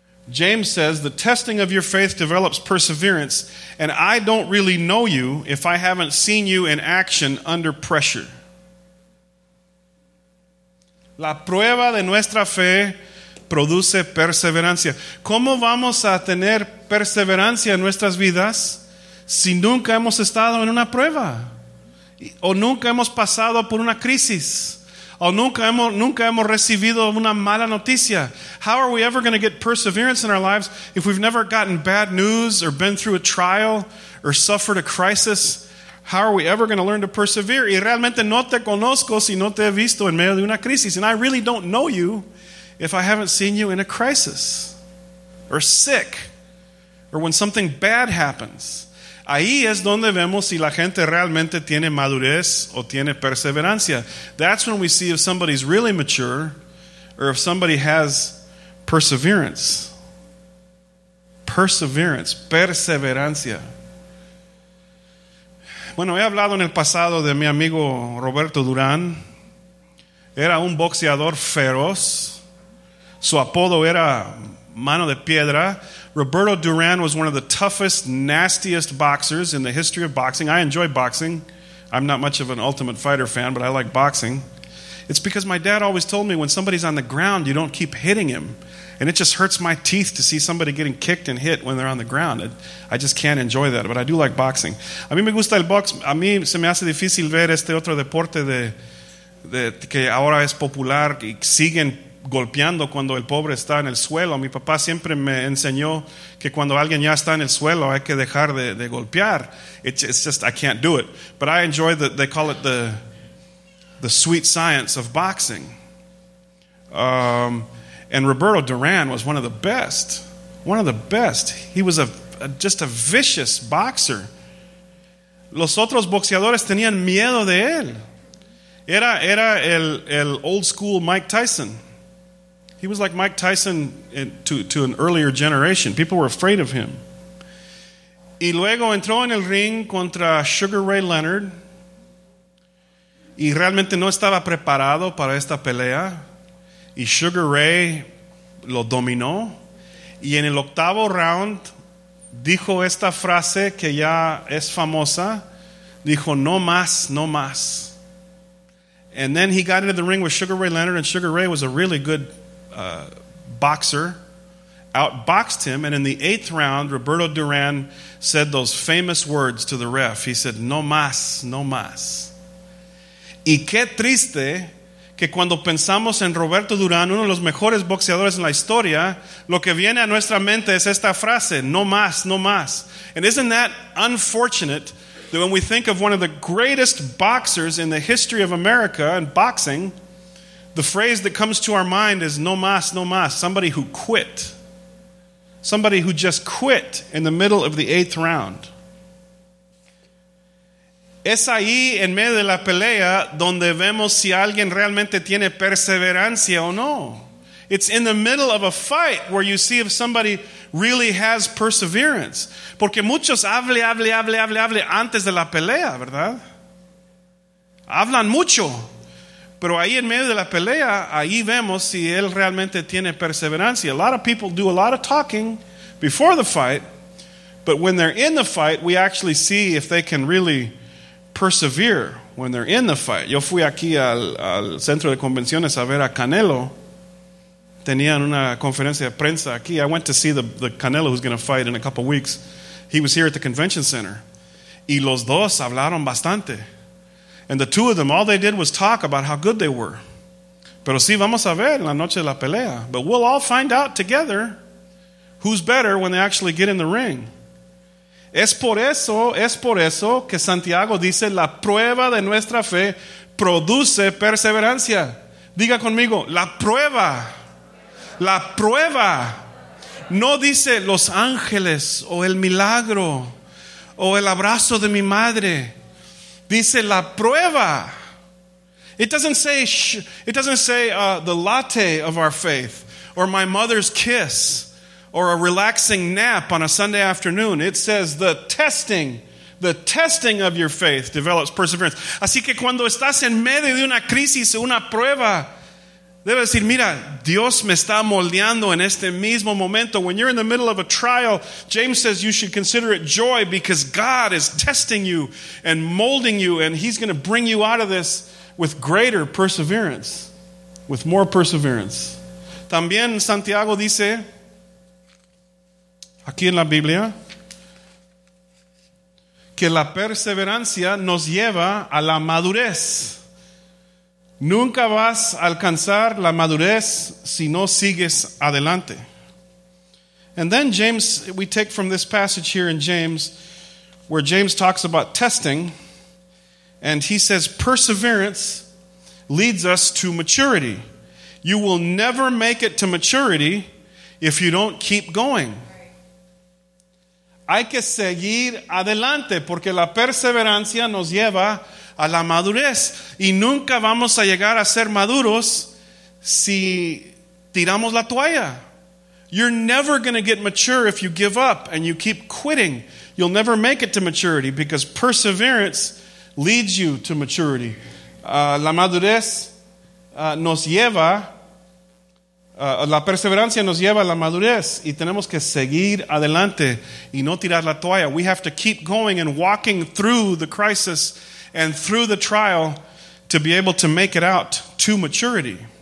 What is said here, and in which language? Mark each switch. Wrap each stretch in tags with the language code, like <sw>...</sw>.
<en>James says, the testing of your faith develops perseverance, and I don't really know you if I haven't seen you in action under pressure.</en> <es>La prueba de nuestra fe produce perseverancia. ¿Cómo vamos a tener perseverancia en nuestras vidas si nunca hemos estado en una prueba? O nunca hemos pasado por una crisis. O nunca hemos recibido una mala noticia.</es> <en>How are we ever going to get perseverance in our lives if we've never gotten bad news or been through a trial or suffered a crisis? How are we ever going to learn to persevere?</en> <es>Y realmente no te conozco si no te he visto en medio de una crisis.</es> <en>And I really don't know you if I haven't seen you in a crisis or sick or when something bad happens.</en> <es>Ahí es donde vemos si la gente realmente tiene madurez o tiene perseverancia.</es> <en>That's when we see if somebody's really mature or if somebody has perseverance. Perseverance, perseverancia.</en> <es>Bueno, he hablado en el pasado de mi amigo Roberto Durán. Era un boxeador feroz. Su apodo era Mano de Piedra.</es> <en>Roberto Durán was one of the toughest, nastiest boxers in the history of boxing. I enjoy boxing. I'm not much of an Ultimate Fighter fan, but I like boxing. It's because my dad always told me when somebody's on the ground, you don't keep hitting him. And it just hurts my teeth to see somebody getting kicked and hit when they're on the ground. I just can't enjoy that, but I do like boxing.</en> <es>A mí me gusta el box. A mí se me hace difícil ver este otro deporte de que ahora es popular y siguen golpeando cuando el pobre está en el suelo. Mi papá siempre me enseñó que cuando alguien ya está en el suelo hay que dejar de golpear.</es> <en>It's just, I can't do it. But I enjoy that they call it the sweet science of boxing. And Roberto Duran was one of the best. One of the best. He was just a vicious boxer.</en> <es>Los otros boxeadores tenían miedo de él. Era el old school Mike Tyson.</es> <en>He was like Mike Tyson to an earlier generation. People were afraid of him.</en> <es>Y luego entró en el ring contra Sugar Ray Leonard. Y realmente no estaba preparado para esta pelea. Y Sugar Ray lo dominó. Y en el octavo round dijo esta frase que ya es famosa. Dijo, no más, no más.</es> <en>And then he got into the ring with Sugar Ray Leonard. And Sugar Ray was a really good boxer. Outboxed him. And in the eighth round, Roberto Duran said those famous words to the ref. He said,</en> <es>no más, no más. Y qué triste que cuando pensamos en Roberto Durán, uno de los mejores boxeadores en la historia, lo que viene a nuestra mente es esta frase, no más, no más.</es> <en>And isn't that unfortunate that when we think of one of the greatest boxers in the history of America and boxing, the phrase that comes to our mind is</en> <es>no más, no más,</es> <en>somebody who quit. Somebody who just quit in the middle of the eighth round.</en> <es>Es ahí en medio de la pelea donde vemos si alguien realmente tiene perseverancia o no.</es> <en>It's in the middle of a fight where you see if somebody really has perseverance.</en> <es>Porque muchos hable antes de la pelea, ¿verdad? Hablan mucho. Pero ahí en medio de la pelea, ahí vemos si él realmente tiene perseverancia.</es> <en>A lot of people do a lot of talking before the fight. But when they're in the fight, we actually see if they can really persevere when they're in the fight.</en> <es>Yo fui aquí al centro de convenciones a ver a Canelo. Tenían una conferencia de prensa aquí.</es> <en>I went to see the Canelo who's going to fight in a couple weeks. He was here at the convention center.</en> <es>Y los dos hablaron bastante.</es> <en>And the two of them, all they did was talk about how good they were.</en> <es>Pero sí, vamos a ver en la noche de la pelea.</es> <en>But we'll all find out together who's better when they actually get in the ring.</en> <es>Es por eso que Santiago dice, la prueba de nuestra fe produce perseverancia. Diga conmigo, la prueba. No dice los ángeles o el milagro o el abrazo de mi madre. Dice la prueba.</es> <en>It doesn't say the latte of our faith or my mother's kiss. Or a relaxing nap on a Sunday afternoon. It says the testing of your faith develops perseverance.</en> <es>Así que cuando estás en medio de una crisis o una prueba, debes decir, mira, Dios me está moldeando en este mismo momento.</es> <en>When you're in the middle of a trial, James says you should consider it joy because God is testing you and molding you, and he's going to bring you out of this with greater perseverance, with more perseverance.</en> <es>También Santiago dice, aquí en la Biblia, que la perseverancia nos lleva a la madurez. Nunca vas a alcanzar la madurez si no sigues adelante.</es> <en>And then James, we take from this passage here in James, where James talks about testing. And he says, perseverance leads us to maturity. You will never make it to maturity if you don't keep going.</en> <es>Hay que seguir adelante porque la perseverancia nos lleva a la madurez. Y nunca vamos a llegar a ser maduros si tiramos la toalla.</es> <en>You're never going to get mature if you give up and you keep quitting. You'll never make it to maturity because perseverance leads you to maturity.</en> <es>La madurez nos lleva, la perseverancia nos lleva a la madurez, y tenemos que seguir adelante y no tirar la toalla.</es> <en>We have to keep going and walking through the crisis and through the trial to be able to make it out to maturity.</en>